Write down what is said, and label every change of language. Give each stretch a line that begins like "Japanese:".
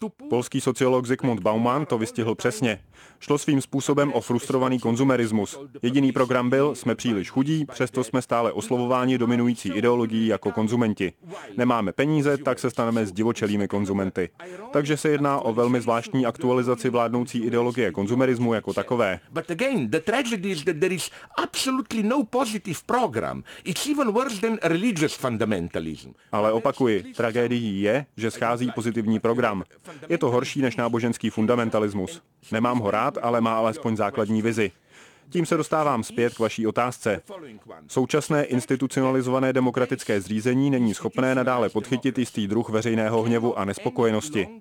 Czech: Polský sociolog Zygmunt Bauman to vystihl přesně. Šlo svým způsobem o frustrovaný konzumerismus. Jediný program byl, jsme příliš chudí, přesto jsme stále oslovováni dominující ideologií jako konzumenti. Nemáme peníze, tak se staneme zdivočelými konzumenty. Takže se jedná o velmi zvláštní aktualizaci vládnoucí ideologie konzumerismu jako takové.
English: But again, the tragedy is that there is absolutely no positive program. It's even worse than religious fundamentalism.
Czech: Ale opakuji, tragédií je, že schází pozitivní program. Je to horší než náboženský fundamentalismus. Nemám ho rád, ale má alespoň základní vizi. Tím se dostávám zpět k vaší otázce. Současné institucionalizované demokratické zřízení není schopné nadále podchytit jistý druh veřejného hněvu a nespokojenosti.